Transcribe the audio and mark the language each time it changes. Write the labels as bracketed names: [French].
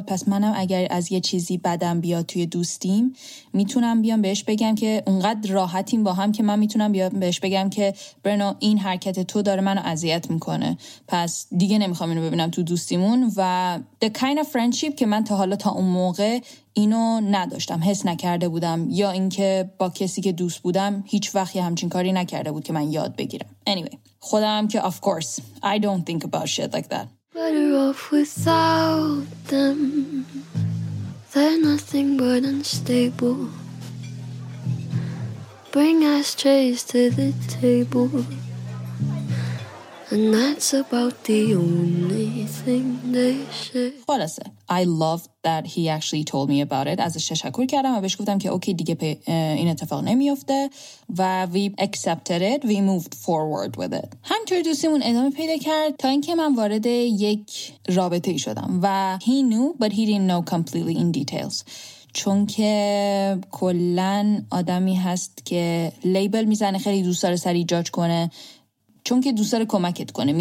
[Persian] پس منم اگر از یه چیزی بدم بیاد توی دوستیم میتونم بیام بهش بگم که اونقدر راحتیم با هم که من میتونم بیام بهش بگم که برنو این حرکت تو داره منو اذیت میکنه پس دیگه نمیخوام اینو ببینم تو دوستیمون و [English] the kind of friendship [Persian] که من تا حالا تا اون موقع اینو نداشتم حس نکرده بودم یا اینکه با کسی که دوست بودم هیچ وقت همچین کاری نکرده بود که من یاد بگیرم. [English] Anyway [Persian] خودم که [English] of course I don't think about shit like that. Better off without them. They're nothing but unstable. Bring ashtrays to the table. And that's about the only thing they share. What is it? I love that he actually told me about it. [Persian] ازش تشکر کردم و بهش گفتم که اوکی دیگه این اتفاق نمیفته و [English] we accepted it. We moved forward with it. [Persian] همینطور دوستیمون ادامه پیدا کرد تا اینکه من وارد یک رابطه شدم و [English] he knew but he didn't know completely in details. [Persian] چون که کلن آدمی هست که لیبل میزنه خیلی دوست داره سری جاج کنه چون که دوست داره کمکت کنه.